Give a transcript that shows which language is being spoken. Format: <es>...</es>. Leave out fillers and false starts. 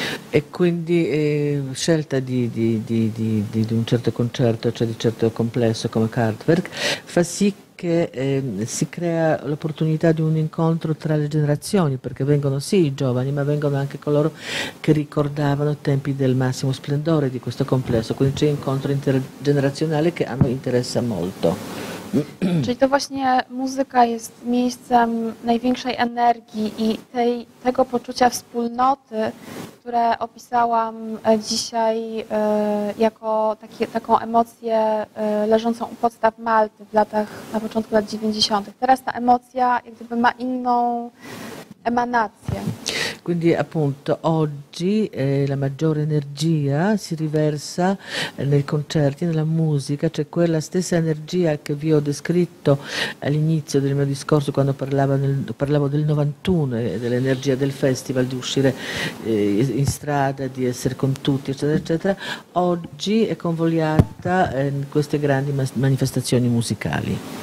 <it>E quindi scelta di un certo concerto, cioè di certo complesso come Kraftwerk, fa sì che si crea l'opportunità di un incontro tra le generazioni, perché vengono sì i giovani, ma vengono anche coloro che ricordavano i tempi del massimo splendore di questo complesso, quindi c'è un incontro intergenerazionale che a noi interessa molto.</it> <pl>Czyli to właśnie muzyka jest miejscem największej energii i tego poczucia wspólnoty, które opisałam dzisiaj jako taką emocję leżącą u podstaw Malty na początku lat 90. Teraz ta emocja jak gdyby ma inną emanację.</pl> <it>Quindi appunto oggi la maggiore energia si riversa nei concerti, nella musica, cioè quella stessa energia che vi ho descritto all'inizio del mio discorso quando parlavo del 91 e dell'energia del festival, di uscire in strada, di essere con tutti, eccetera, eccetera, oggi è convogliata in queste grandi manifestazioni musicali.</it>